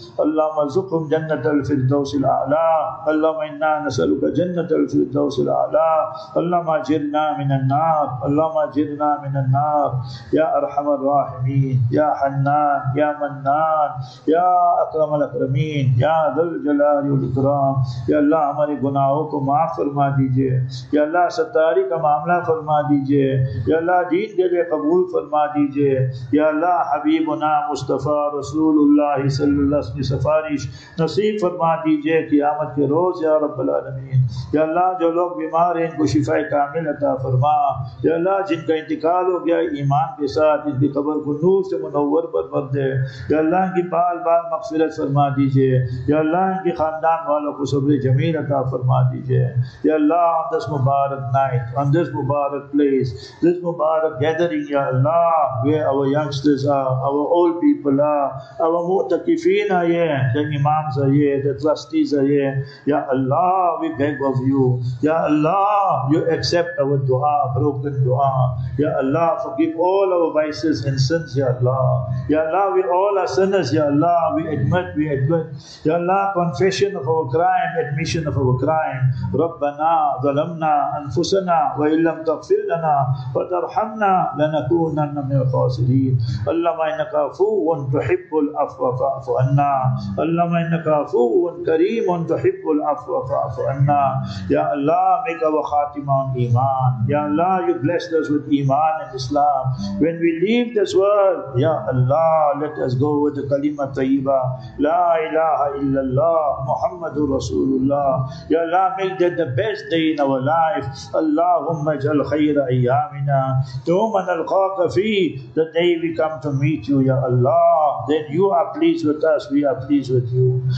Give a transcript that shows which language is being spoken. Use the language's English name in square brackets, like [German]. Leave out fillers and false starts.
[Arabic] اللهم ارزقهم جنه الفردوس الاعلى. اللهم انا نسالك جنه الفردوس الاعلى. اللهم اجرنا من النار. اللهم اجرنا من النار يا ارحم الراحمين يا حنان يا منان يا اكرم الاكرمين يا ذا الجلال والاكرام. [Urdu] يا الله ہماری گناہوں کو معاف فرما دیجئے. یا اللہ ستاری کا معاملہ فرما دیجئے. یا اللہ دین کے لیے قبول فرما دیجئے. یا اللہ حبیبنا مصطفی رسول اللہ صلی اللہ علیہ وسلم کی سفارش نصیب فرما دیجئے قیامت کے روز یا رب العالمین. یا اللہ جو لوگ بیمار ہیں ان کو شفا کامل عطا فرما. یا اللہ جن کا انتقال ہو گیا ایمان کے ساتھ ان کی قبر کو نور سے منور بربر دے. یا اللہ ان کی بال بال مغفرت فرما دیجئے. یا اللہ ان کے خاندان والوں کو صبر جمیل عطا فرما دیجئے. [English] یا اللہ on this Mubarak night, on this Mubarak place, this Mubarak gathering, Ya Allah, where our youngsters are, our old people are, our mutakifin are here, the imams are here, the trustees are here. Ya Allah, we beg of you. Ya Allah, you accept our dua, broken dua. Ya Allah, forgive all our vices and sins, Ya Allah. Ya Allah, we all are sinners, Ya Allah, we admit. Ya Allah, confession of our crime, admission of our crime. [Arabic] Rabbana ظلمنا انفسنا وان لم تغفر لنا وترحمنا لنكونن من الخاسرين. اللهم انك عفو تحب العفو فاعف عنا. اللهم انك عفو كريم تحب العفو فاعف عنا. [English] يا الله make our خاتمه on ايمان. يا الله you blessed us with ايمان and islam. When we leave this world, يا الله let us go with the kalima tayyiba, [Arabic] لا اله الا الله محمد رسول الله. [English] يا الله make that the best day in our life. [Arabic] Allahumma jal khayra ayyamina thumma nalqaka fi, [English] the day we come to meet you, Ya Allah, then you are pleased with us, we are pleased with you.